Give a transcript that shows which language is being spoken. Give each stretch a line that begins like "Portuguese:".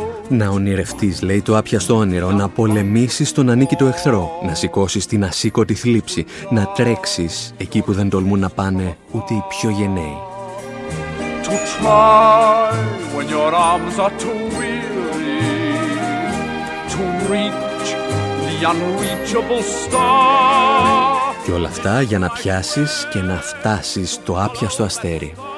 Greek: Να ονειρευτείς, λέει το άπιαστο όνειρο, να πολεμήσεις τον ανίκητο εχθρό, να σηκώσεις την ασήκωτη θλίψη, να τρέξεις εκεί που δεν τολμούν να πάνε ούτε οι πιο γενναίοι.
English: To try when your arms are too weary, to reach the unreachable star.
Greek: Και όλα αυτά για να πιάσεις και να φτάσεις το άπιαστο αστέρι.